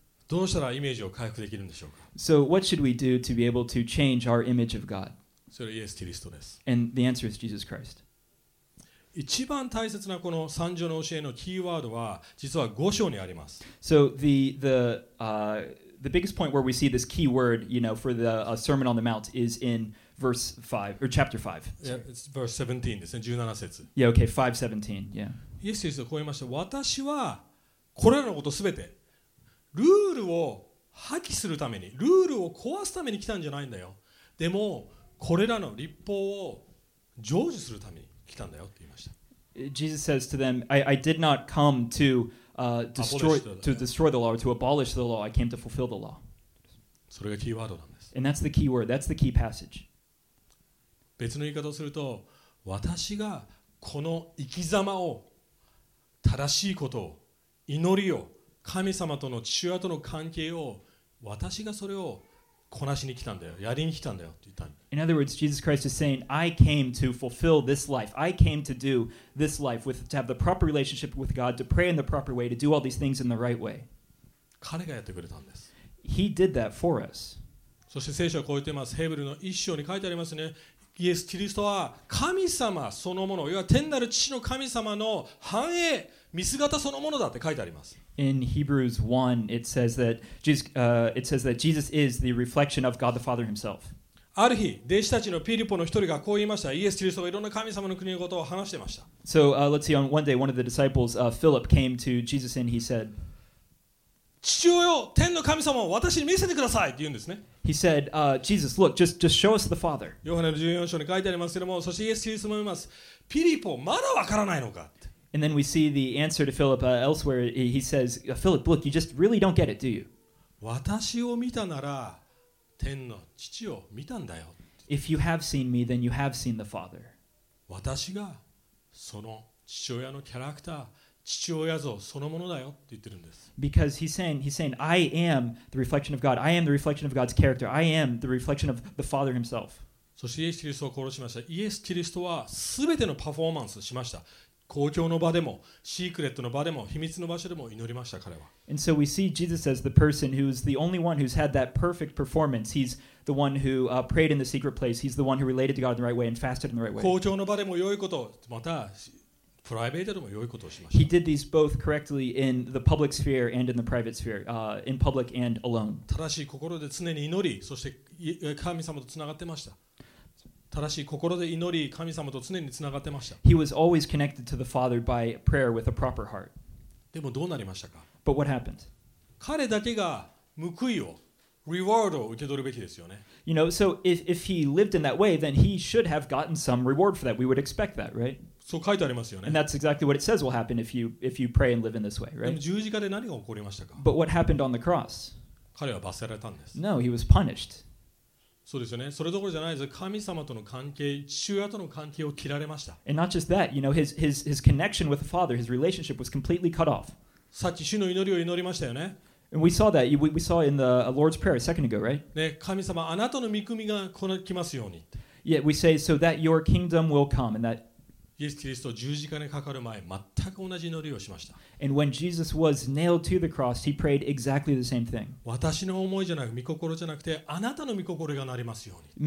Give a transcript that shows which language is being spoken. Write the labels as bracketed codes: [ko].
[ja] どうしたらイメージを回復できるんでしょうか。 [en] So what should we do to be able to change our image of God? [ja] それはイエス・キリストです。 [en] And the answer is Jesus Christ. [ja] 一番大切なこの三条の教えのキーワードは実は五章にあります。 [en] So the biggest point where we see this key word, you know, for the Sermon on the Mount is in verse 5 or chapter 5. Yeah, it's verse 17 [ja] ですね、17節。 [en] Yeah, okay, 5:17. Yeah. [ja] イエス・キリストこう言いました。私はこれらのことすべてルールを破棄するために、ルールを壊すために来たんじゃないんだよ。でもこれらの律法を成就するために。 [en] Jesus says to them, I did not come to destroy the law or to abolish the law. I came to fulfill the law. [ja] それがキーワードなんです。 [en] And that's the key word. That's the key passage. [ja] 別の言い方をすると、私がこの生き様を正しいことを祈りを神様との父親との関係を私がそれをこなしに来たんだよ、やりに来たんだよって言ったんだ。 [en] In other words, Jesus Christ is saying, I came to fulfill this life. I came to do this life with, to have the proper relationship with God, to pray in the proper way, to do all these things in the right way. [ja] 彼がやってくれたんです。 [en] He did that for us. [ja] そして聖書はこう言っています。ヘブルの一章に書いてありますね。イエス・キリストは神様そのもの、いわ天なる父の神様の繁栄、見姿そのものだって書いてあります。 [en] In Hebrews 1, it says that Jesus is the reflection of God the Father himself. [ja] ある日、弟子たちのピリポの一人がこう言いました。イエス・キリストはいろんな神様の国のことを話してました。 [en] So, let's see, on one day, one of the disciples, Philip, came to Jesus and he said, [ja] 父親よ、天の神様を私に見せてくださいって言うんですね。 [en] He said, Jesus, look, just show us the Father. [ja] ヨハネの14章に書いてありますけども、そしてイエス・キリストも言います。ピリポ、まだわからないのか。 [en] And then we see the answer to Philip elsewhere. He says, Philip, look, you just really don't get it, do you? [ja] 私を見たなら天の父を見たんだよ。 [en] If you have seen me, then you have seen the Father. [ja] 私がその父親のキャラクター、父親像そのものだよって言ってるんです。 [en] Because he's saying, I am the reflection of God. I am the reflection of God's character. I am the reflection of the Father himself. [ja] そしてイエス・キリストを殺しました。イエス・キリストは全てのパフォーマンスしました。公共の場でも、シークレットの場でも、秘密の場所でも祈りました、彼は。 [en] And so we see Jesus as the person who's the only one who's had that perfect performance. He's the one who prayed in the secret place. He's the one who related to God in the right way and fasted in the right way. [ja] 公共の場でも良いこと、またプライベートでも良いことをしました。 [en] He did these both correctly in the public sphere and in the private sphere, in public and alone. [ja] 正しい心で常に祈り、そして神様とつながってました。正しい心で祈り、神様と常につながってました。 [en] He was always connected to the Father by prayer with a proper heart. [ja] でもどうなりましたか? [en] But what happened? [ja] 彼だけが報いを、reward を受け取るべきですよね。 [en] You know, so if he lived in that way, then he should have gotten some reward for that. We would expect that, right? [ja] そう書いてありますよね。 [en] And that's exactly what it says will happen if you pray and live in this way, right? [ja] でも十字架で何が起こりましたか? [en] But what happened on the cross? [ja] 彼は罰せられたんです。 [en] No, he was punished. [ja] そうですよね。それどころじゃないです。神様との関係、父親との関係を切られました。 [en] And not just that, you know, his connection with the Father, his relationship was completely cut off. [ja] さっき主の祈りを祈りましたよね。 [en] And we saw that. We saw in the Lord's Prayer a second ago, right? [ja] ね、神様、あなたの御国が来ますように。 [en] Yet we say so that your kingdom will come, and that [ja] イエス・キリスト十字架にかかる前、全く同じ祈りをしました。 [en] And when Jesus was nailed to the cross, he prayed exactly the same thing. [ja] 私の思いじゃなく、御心じゃなくて、あなたの御心がなりますように。